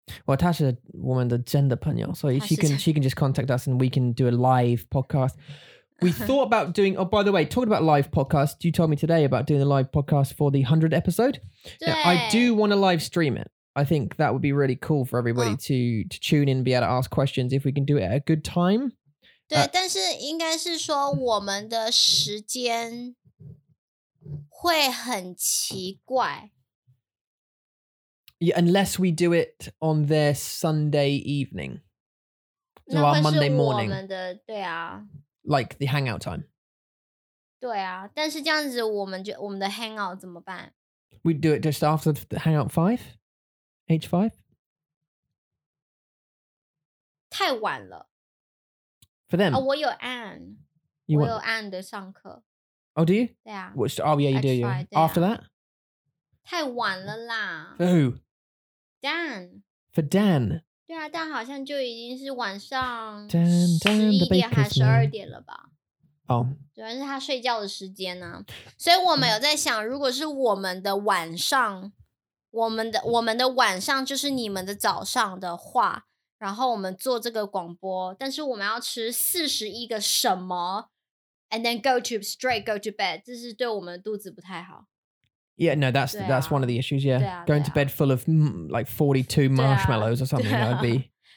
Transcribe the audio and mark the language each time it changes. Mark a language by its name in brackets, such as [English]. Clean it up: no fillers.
[English] well, [Chinese] 他是我们的真的朋友 所以 [English] she can just contact us and we can do a live podcast we thought about doing oh by the way talking about live podcast you told me today about doing a live podcast for the 100th episode now, I do want to live stream it I think that would be really cool for everybody to tune in and be able to ask questions if we can do it at a good time [Chinese] 对但是应该是说我们的时间会很奇怪。 [English] Yeah, unless we do it on their Sunday evening. So our Monday morning. [Chinese] 对啊。 [English] Like the hangout time. [Chinese] 对啊，但是这样子我们就，我们的 hangout 怎么办？ [English] We do it just after the hangout 5? H5? [Chinese] 太晚了。 [English] For them? [Chinese] Oh, 我有 Anne. [English] You want... [Chinese] 我有 Anne 的上课。 [English] Oh, do you? [Chinese] 对啊。 [English] Which, oh, yeah, you do. Yeah. After that? [Chinese] 太晚了啦。 [English] For who? Dan. For Dan? [Chinese] 对啊，但好像就已经是晚上 11点还是12点了吧。哦。主要是他睡觉的时间呢。所以我们有在想，如果是我们的晚上，我们的晚上就是你们的早上的话，然后我们做这个广播，但是我们要吃41个什么 [English] and then go to bed, [Chinese] 这是对我们的肚子不太好。 [English] Yeah, no, that's one of the issues, yeah. [Chinese] 对啊, [English] going to bed full of, like, 42 marshmallows or something, that would be...